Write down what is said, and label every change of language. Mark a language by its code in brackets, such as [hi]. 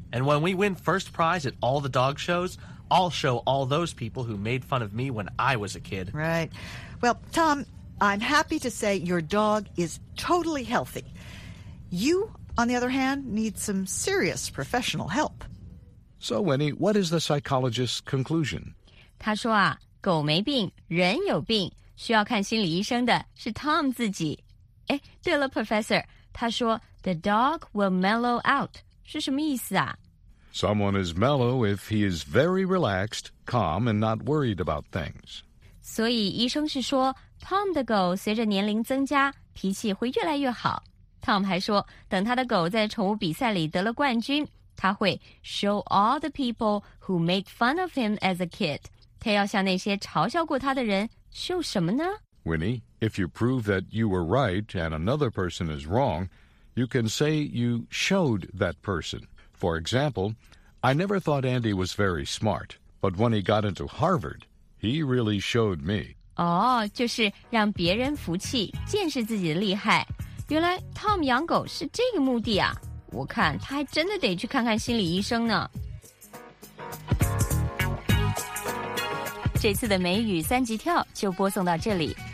[en] And when we win first prize at all the dog shows, I'll show all those people who made fun of me when I was a kid. Right. Well, Tom, I'm happy to say your dog is totally healthy. You, on the other hand, need some serious professional help. So, Winnie, what is the psychologist's conclusion? [zh] 他说啊。狗没病，人有病，需要看心理医生的是 Tom 自己。哎，对了 ，Professor， 他说 [en] "The dog will mellow out" [zh] 是什么意思啊 [en] ？Someone is mellow if he is very relaxed, calm, and not worried about things. [zh] 所以医生是说 ，Tom 的狗随着年龄增加，脾气会越来越好。 Tom 还说，等他的狗在宠物比赛里得了冠军，他会 [en] show all the people who made fun of him as a kid. [zh] 他要向那些嘲笑过他的人秀什么呢 [en] ？Winnie, if you prove that you were right and another person is wrong, you can say you showed that person. For example, I never thought Andy was very smart, but when he got into Harvard, he really showed me. [zh] 哦、oh, ，就是让别人服气，见识自己的厉害。原来 Tom 养狗是这个目的啊！我看他还真的得去看看心理医生呢。这次的美语三级跳就播送到这里。